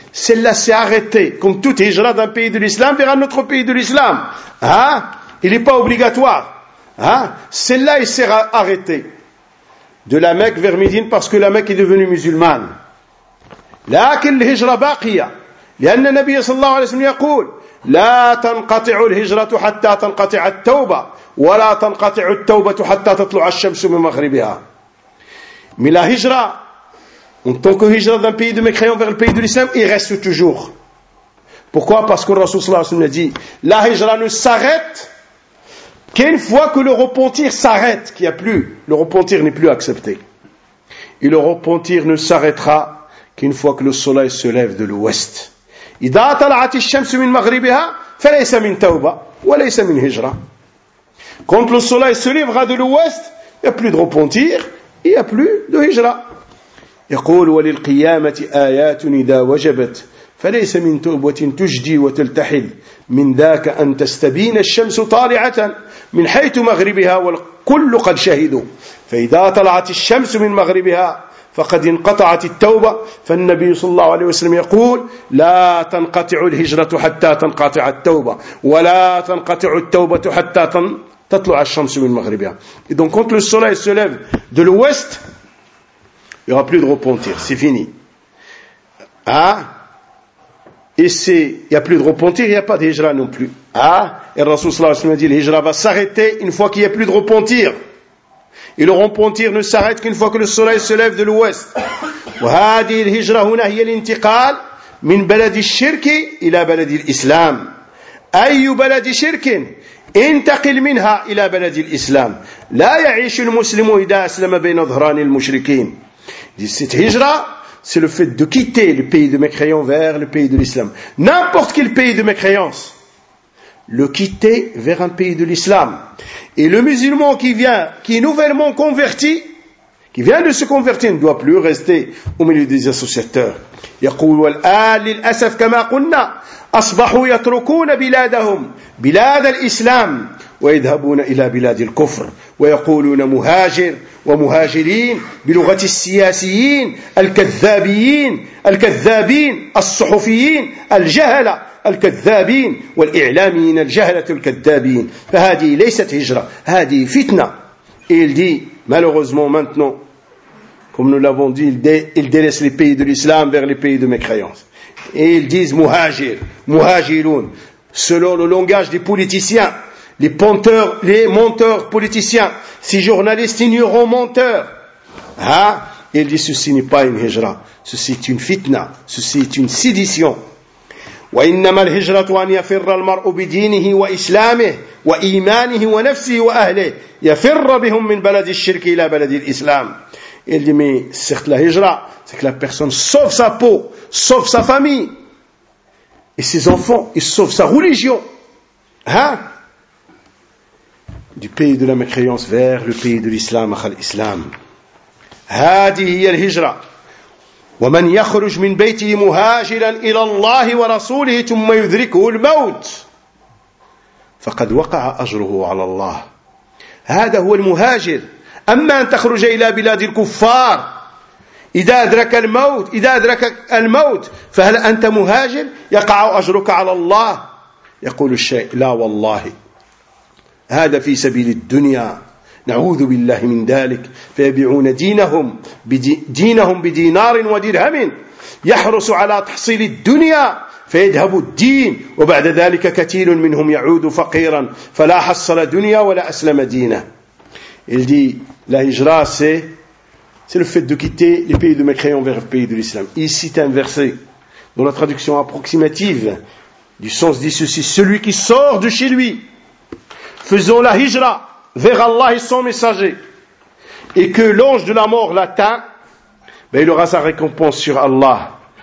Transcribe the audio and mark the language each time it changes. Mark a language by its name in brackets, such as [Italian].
[French] Celle-là s'est arrêtée, comme toute hijra d'un pays de l'islam vers un autre pays de l'islam. Hein? Il n'est pas obligatoire. Hein? Celle-là il s'est arrêtée de la Mecque vers Médine parce que la Mecque est devenue musulmane. [Arabic] Lakin l'hijra baqiya, لأن النبي صلى الله عليه وسلم يقول لا تنقطع الهجرة حتى تنقطع التوبة ولا تنقطع التوبة حتى تطلع الشمس من مغربها. [French] Mais la hijra, en tant que hijra d'un pays de mécréants vers le pays de l'islam, il reste toujours. Pourquoi? Parce que le Rasoul sallallahu alayhi wa sallam a dit, la hijra ne s'arrête qu'une fois que le repentir s'arrête, qu'il n'y a plus, le repentir n'est plus accepté. Et le repentir ne s'arrêtera qu'une fois que le soleil se lève de l'ouest. [Arabic] إِذَا تَلَعَتِ الشَّمْسُ مِنْ مَغْرِبِهَا فَلَيْسَ مِنْ تَوْبَ وَلَيْسَ مِنْ هِجْرَ. [French] Quand le soleil se lèvera de l'ouest, il n'y a plus de repentir, il n'y a plus de hijra. [Arabic] يقول وللقيامة آيات إذا وجبت فليس من توبة تجدي وتلتحل من ذاك أن تستبين الشمس طالعة من حيث مغربها والكل قد شهدوا فإذا طلعت الشمس من مغربها فقد انقطعت التوبة. فالنبي صلى الله عليه وسلم يقول لا تنقطع الهجرة حتى تنقطع التوبة ولا تنقطع التوبة حتى تطلع الشمس من مغربها. [French] إذن quand le soleil se lève de l'ouest, il n'y aura plus de repentir, c'est fini. Et c'est, il n'y a plus de repentir, il n'y a pas d'hijra non plus. Et le Rasoul sallallahu alayhi wa sallam dit, l'hijra va s'arrêter une fois qu'il n'y a plus de repentir. Et le repentir ne s'arrête qu'une fois que le soleil se lève de l'ouest. [Arabic] وهذه الهجرة هنا هي الانتقال من بلد الشرك إلى بلد الإسلام. أي بلد شرك انتقل منها إلى بلد الإسلام. لا يعيش المسلم إذا أسلم بين ظهران المشركين. [French] Cette hijra, c'est le fait de quitter le pays de mécréants vers le pays de l'islam. N'importe quel pays de mécréance, le quitter vers un pays de l'islam. Et le musulman qui vient, qui est nouvellement converti, qui vient de se convertir, ne doit plus rester au milieu des associateurs. [Arabic] يقول والآل للأسف كما قلنا أصبحوا يتركون بلادهم بلاد الإسلام ويذهبون إلى بلاد الكفر ويقولون مهاجر ومهاجرين بلغة السياسيين الكذابين الكذابين الصحفيين الجهلة الكذابين والإعلاميين الجهلة الكذابين. فهذه ليست هجرة, هذه فتنة. [French] Il dit malheureusement maintenant, comme nous l'avons dit, ils délaissent les pays de l'islam vers les pays de mécréance. Et ils disent muhajir, muhajiroun, selon le langage des politiciens, les penteurs, les menteurs politiciens, ces journalistes ignorants menteurs. Ils disent ceci n'est pas une hijra, ceci est une fitna, ceci est une sédition. [Arabic] وإنما الهجرة أن يفر المرء بدينه وإسلامه وإيمانه ونفسه وأهله يفر بهم من بلد الشرك إلى بلد الإسلام. [French] Il dit, mais certes la hijra, c'est que la personne sauve sa peau, sauve sa famille et ses enfants, il sauve sa religion. Du pays de la mécréance vers le pays de l'islam, à l'islam. [Arabic] هذه هي الهجرة. ومن يخرج من بيته مهاجرا إلى الله ورسوله ثم يدركه الموت فقد وقع أجره على الله. هذا هو المهاجر. أما أن تخرج إلى بلاد الكفار إذا أدرك الموت, إذا أدرك الموت فهل أنت مهاجر يقع أجرك على الله؟ يقول الشيء لا والله, هذا في سبيل الدنيا, نعوذ بالله من ذلك. فيبيعون دينهم دينهم بدينار ودرهم يحرص على تحصيل الدنيا فيذهب الدين وبعد ذلك كثير منهم يعود فقيرا فلا حصل دنيا ولا أسلم دينه. [French] Il dit, la hijra, c'est le fait de quitter les pays de mécréants vers le pays de l'islam. Il cite un verset dans la traduction approximative du sens, dit ceci, celui qui sort de chez lui, faisant la hijra vers Allah et son messager, et que l'ange de la mort l'atteint, ben il aura sa récompense sur Allah.